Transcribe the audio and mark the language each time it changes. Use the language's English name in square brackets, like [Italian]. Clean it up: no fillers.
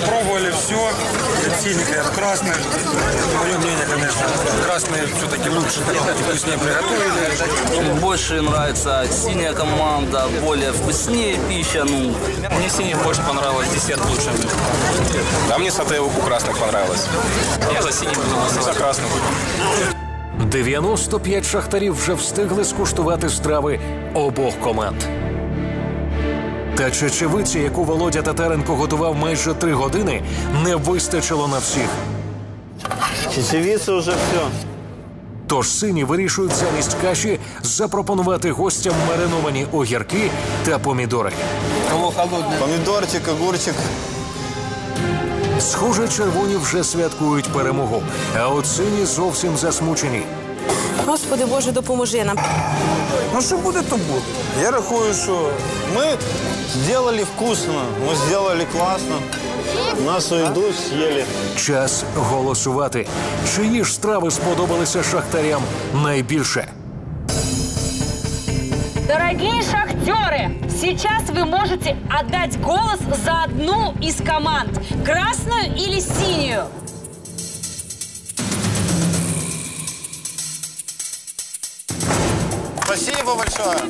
[Russian] Попробовали все, синенькое, красное. Мое мнение, конечно, красное все-таки лучше, вкуснее приготовили. Больше нравится синяя команда, более вкуснее пища. Ну. Мне синее больше понравилось, десерт лучше. А мне сатаевку красных понравилось. Я за синий буду голосовать. За красных. [Ukrainian] 95 шахтарів вже встигли скуштувати страви обох команд. Та чечевиці, яку Володя Татаренко готував майже 3 години, не вистачило на всіх. Чечевиці вже все. Тож сині вирішують замість каші запропонувати гостям мариновані огірки та помідори. Кого холодне? Помідорчик, огурчик. Схоже, червоні вже святкують перемогу, а от сині зовсім засмучені. Господи Боже, допоможи нам. Ну що буде, то буде. Я рахую, що ми зробили вкусно, ми зробили класно. Нас у їду з'їли. Час голосувати. Чиї ж страви сподобалися шахтарям найбільше? Дорогі шахтери, [Russian] сейчас вы можете отдать голос за одну из команд. Красную или синюю? Спасибо большое.